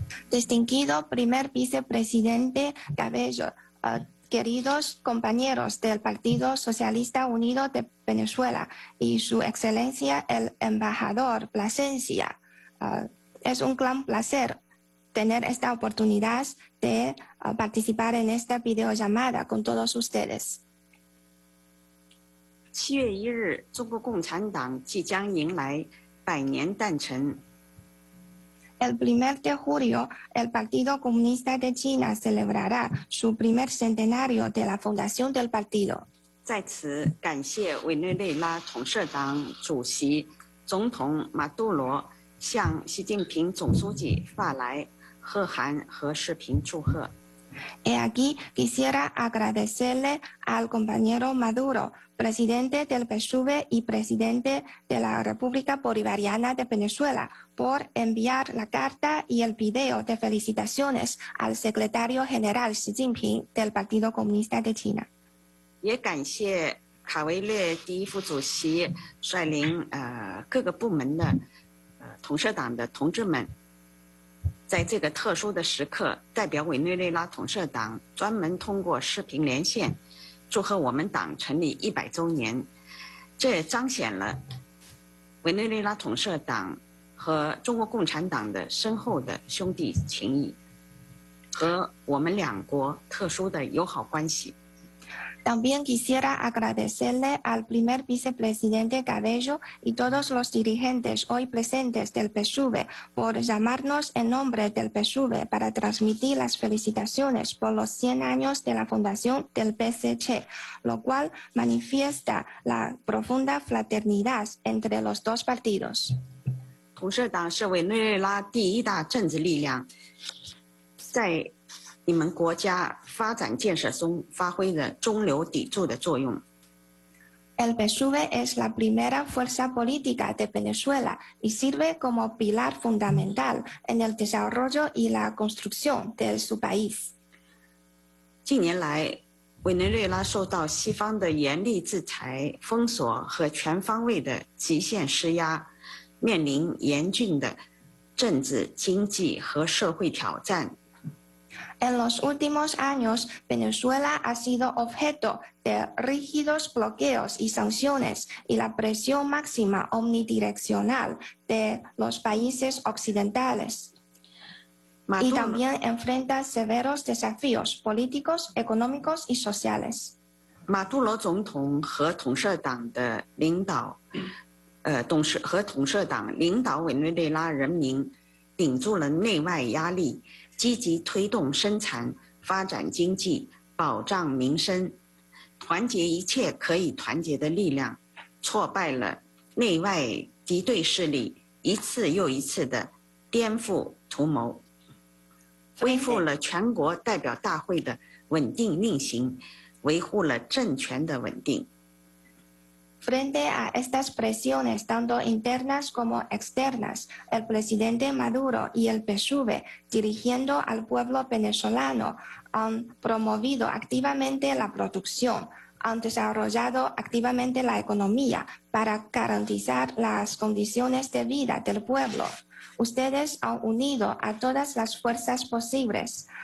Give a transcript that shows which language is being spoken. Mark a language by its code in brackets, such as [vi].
[es] Distinguido primer vicepresidente Cabello, queridos compañeros del Partido Socialista Unido de Venezuela y su excelencia el embajador Plasencia, es un gran placer tener esta oportunidad de participar en esta videollamada con todos ustedes. [zh] 七月一日，中国共产党即将迎来百年诞辰。 [es] El primer de julio, el Partido Comunista de China celebrará su primer centenario de la fundación del partido. [zh] 在此，感谢委内瑞拉统社党主席总统马杜罗向习近平总书记发来贺函和视频祝贺。 [es] He aquí, quisiera agradecerle al compañero Maduro, presidente del PSUV y presidente de la República Bolivariana de Venezuela, por enviar la carta y el video de felicitaciones al secretario general Xi Jinping del Partido Comunista de China. [zh] 也感谢卡维列第一副主席率领各个部门的统社党的同志们。在这个特殊的时刻，代表委内瑞拉统社党专门通过视频连线，祝贺我们党成立100周年。这也彰显了委内瑞拉统社党和中国共产党的深厚的兄弟情谊，和我们两国特殊的友好关系。 [es] También quisiera agradecerle al primer vicepresidente Cabello y todos los dirigentes hoy presentes del PSUV por llamarnos en nombre del PSUV para transmitir las felicitaciones por los 100 años de la fundación del PSC, lo cual manifiesta la profunda fraternidad entre los dos partidos. [zh] 统社党是委内瑞拉第一大政治力量，在你们国家发展建设中发挥着中流砥柱的作用。 [es] El PSUV es la primera fuerza política de Venezuela y sirve como pilar fundamental en el desarrollo y la construcción de su país. [zh] 近年来，委内瑞拉受到西方的严厉制裁、封锁和全方位的极限施压，面临严峻的政治、经济和社会挑战。 [es] En los últimos años, Venezuela ha sido objeto de rígidos bloqueos y sanciones y la presión máxima omnidireccional de los países occidentales. Y también enfrenta severos desafíos políticos, económicos y sociales. [zh] Maduro 总统和统社党的领导，和统社党领导委内瑞拉人民顶住了内外压力。积极推动生产，发展经济，保障民生，团结一切可以团结的力量，挫败了内外敌对势力，一次又一次的颠覆图谋，恢复了全国代表大会的稳定运行，维护了政权的稳定。 [es] Frente a estas presiones, tanto internas como externas, el presidente Maduro y el PSUV, dirigiendo al pueblo venezolano, han promovido activamente la producción, han desarrollado activamente la economía para garantizar las condiciones de vida del pueblo. Ustedes han unido a todas las fuerzas posibles,